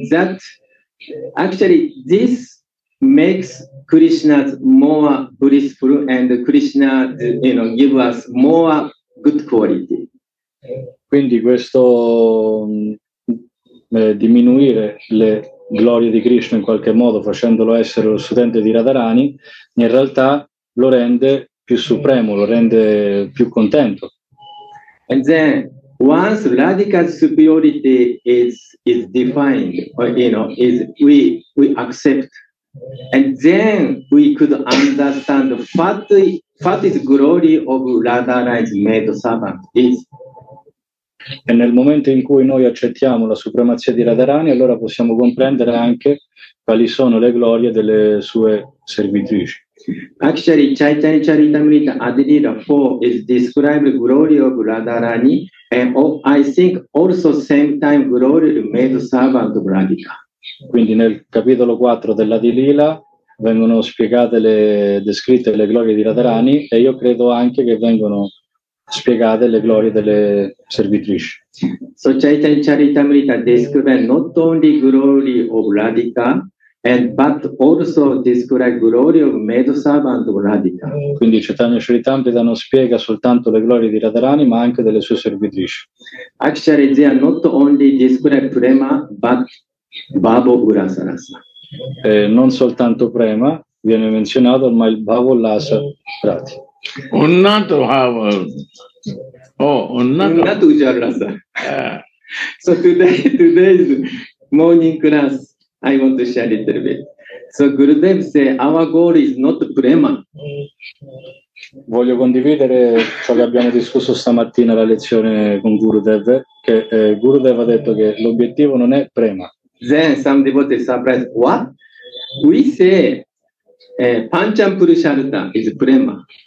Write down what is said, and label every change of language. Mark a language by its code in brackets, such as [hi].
[en] That actually, this makes Krishna more blissful and Krishna, you know, give us more good quality. [it] Quindi questo diminuire le glorie di Krishna in qualche modo, facendolo essere lo studente di Radharani, in realtà lo rende più supremo, lo rende più contento. [en] And then, once Radhika's superiority is defined, or, you know, is we accept, and then we could understand what is glory of Radharani's maid servant is. [it] E nel momento in cui noi accettiamo la supremazia di Radharani, allora possiamo comprendere anche quali sono le glorie delle sue servitrici. [en] Actually, Chaitanya Charitamrita Adi Lila 4 is described the glory of Radharani, and I think also same time glory of maid servant of Radhika. [it] Quindi nel capitolo 4 dell'Adi Lila vengono spiegate le descritte le glorie di Radharani, e io credo anche che vengono spiegate le glorie delle servitrici. [en] So Chaitanya Charitamrita describe not only glory of Radhika, and but also describe glory of maid servant of Radhika. [it] Quindi Chaitanya Charitamrita non spiega soltanto le glorie di Radharani, ma anche delle sue servitrici. [en] Actually, they are not only describe prema, but babo urasarasa. [it] non soltanto prema viene menzionato, ma il bhava lasa prati. Un altro bhava. Oh, un altro. Un altro ujjarasa. [en] So today's morning class, I want to share a little bit. So Gurudev say, our goal is not prema. [it] Voglio condividere ciò che abbiamo discusso stamattina alla lezione con Gurudev, che Gurudev ha detto che l'obiettivo non è prema. [en] Then some devotees surprise, what? We say, pancham purusharta is prema.